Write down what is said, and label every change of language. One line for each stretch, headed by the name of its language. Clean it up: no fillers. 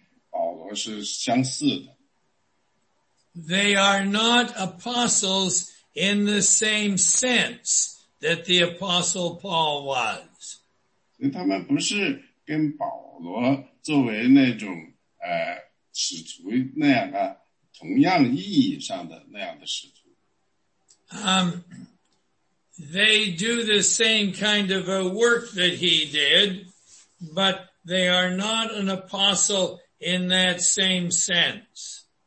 Chinese: 而那个今天的宣教士跟保罗是相似的。
English: They are not apostles in the same sense that the Apostle Paul was.
Chinese: 他们不是跟保罗作为那种使徒那样的同样意义上的那样的使徒。
English: They do the same kind of a work that he did, but they are not an apostle in that same sense.